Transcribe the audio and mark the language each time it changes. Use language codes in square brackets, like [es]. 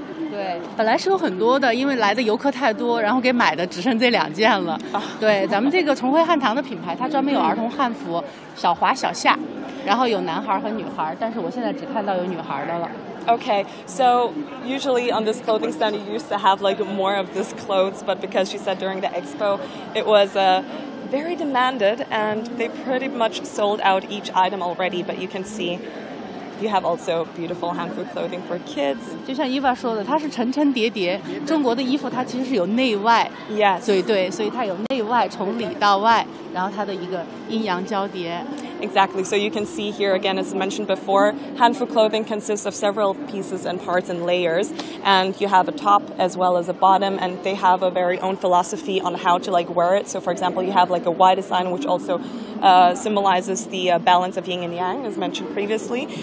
[zh] 对，本来是有很多的，因为来的游客太多，然后给买的只剩这两件了。对，咱们这个重辉汉唐的品牌，它专门有儿童汉服，小华小夏，然后有男孩和女孩，但是我现在只看到有女孩的了。 [en] Okay, so usually on this clothing stand, you used to have like more of these clothes, but because she said during the expo, it was a... very demanded and they pretty much sold out each item already, but you can see you have also beautiful Hanfu clothing for kids. [zh] 就像 Eva 说的，它是层层叠叠，中国的衣服它其实是有内外。 [en] Yes. [zh] 对，所以它有内外，从里到外，然后它的一个阴阳交叠。 [en] Exactly, so you can see here again, as mentioned before, Hanfu clothing consists of several pieces and parts and layers, and you have a top as well as a bottom, and they have a very own philosophy on how to like wear it. So for example, you have like a Y design, which also symbolizes the balance of yin and yang, as mentioned previously.